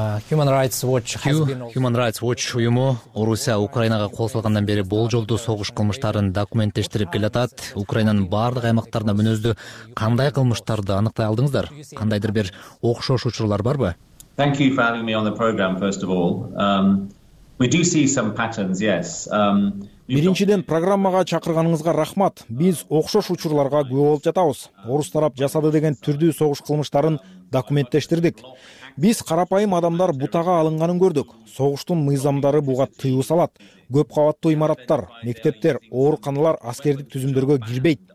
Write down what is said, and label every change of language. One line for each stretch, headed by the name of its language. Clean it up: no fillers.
Kyrgyz: Human Rights Watch уюму Орусия Украинага кошулгандан бери болжолдуу согуш кылмыштарын документтештирип келатат. Украинанын бардык аймактарында мүнөздү кандай кылмыштарды аныктай алдыңыздар? Кандайдыр бир окшош учурлар барбы?
English: Thank you for having me on the program, first of all. We do see some patterns, yes.
Kyrgyz: Биринчиден программага чакырганыңызга рахмат. Биз окшош учурларга күбө болуп жатабыз. Орус тарап жасады деген түрдүү согуш кылмыштарын документтештирдик. Биз карапайым адамдар бутага алынганын көрдүк. Согуштун мыйзамдары буга тыюу салат. Көп кабаттуу имараттар, мектептер, ооруканалар аскердик түзүмдөргө кирбейт.